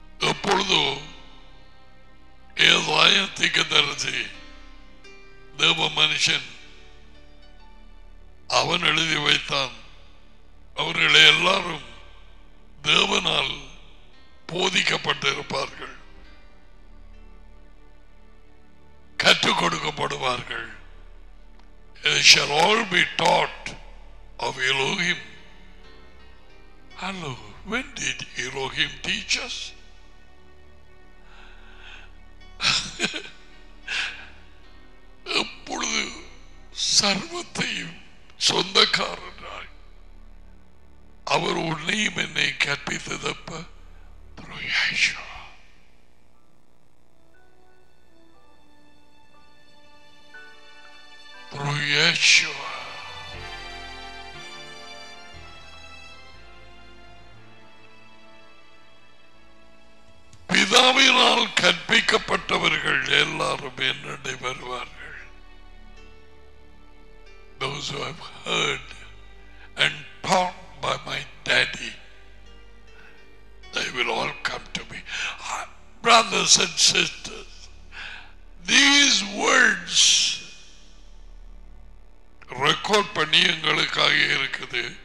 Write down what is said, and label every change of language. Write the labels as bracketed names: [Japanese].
[Tamil] எப்பொழுதோ ஏதாயத்திற்கு தரிசி தேவ மனுஷன் அவன் எழுதி வைத்தான், அவர்களை எல்லாரும் தேவனால் போதிக்கப்பட்டிருப்பார்கள், கற்றுக் கொடுக்கப்படுவார்கள். [English] They shall all be taught of Elohim. Hello, when did Elohim teach us? [Tamil] எப்பொழுது சர்வத்தையும் சொந்தக்காரனாய் அவர் உன்னையும் என்னை கற்பித்ததப்ப யேசுவா. பிதாவினால் கற்பிக்கப்பட்டவர்கள் எல்லாரும் என்னண்டை வருவார்கள். [English] Those who have heard and taught by my daddy, they will all come to me. Brothers and sisters, these words record [Tamil] பண்ணி எங்களுக்காக இருக்குது.